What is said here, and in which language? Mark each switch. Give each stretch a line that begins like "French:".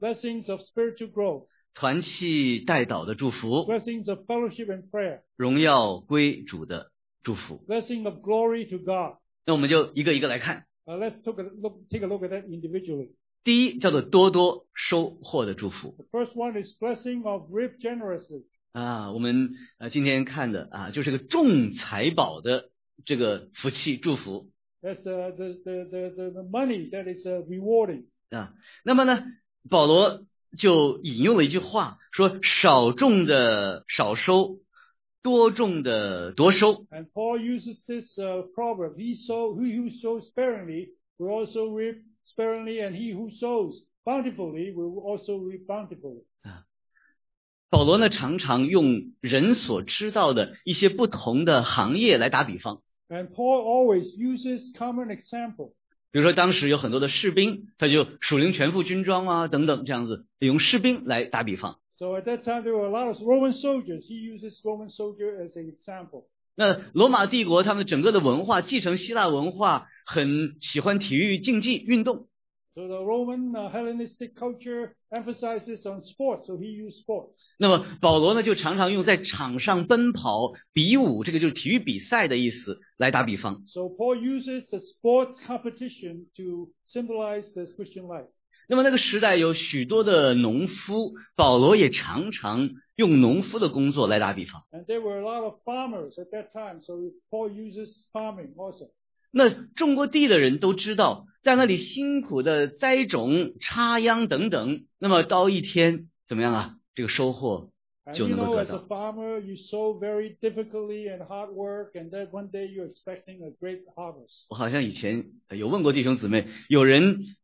English: Blessings of spiritual growth,
Chinese: 团契代祷的祝福
English: Blessings of fellowship and prayer,
Chinese: 荣耀归主的祝福
English: Blessing of glory to God.
Chinese: 那我们就一个一个来看
English: Let's take a look at that individually.
Chinese: 第一叫做多多收获的祝福
English: The first one is blessing of reap generously.
Chinese: 啊，我们今天看的啊，就是个重财宝的这个福气祝福
English: That's the money that is rewarding.
Chinese: 啊，那么呢，保罗就引用了一句话，说少种的少收。多种的多收
English: And Paul uses this proverb, he who sows sparingly will also reap sparingly, and he who sows bountifully will also reap bountifully.
Chinese: 保罗呢常常用人所知道的一些不同的行业来打比方
English: And Paul always uses common example.
Chinese: 比如说当时有很多的士兵他就属灵全副军装啊等等这样子用士兵来打比方
English: So at that time there were a lot of Roman soldiers. He uses Roman soldier as an example.
Chinese: 那罗马帝国他们整个的文化继承希腊文化，很喜欢体育竞技运动。
English: So the Roman Hellenistic culture emphasizes on sports. So he used sports.
Chinese: 那么保罗呢就常常用在场上奔跑比武，这个就是体育比赛的意思，来打比方。
English: So Paul uses the sports competition to symbolize the Christian life.
Chinese: 那么那个时代有许多的农夫，保罗也常常用农夫的工作来打比方。
English: And there were a lot of farmers at that time, so Paul uses farming also.
Chinese: 那种过地的人都知道，在那里辛苦的栽种、插秧等等，那么到一天怎么样啊？这个收获就能够得到。
English: And you know, as a farmer, you sow very difficultly and hard work, and then one day you're expecting a great harvest.
Chinese: 我好像以前有问过弟兄姊妹，有人。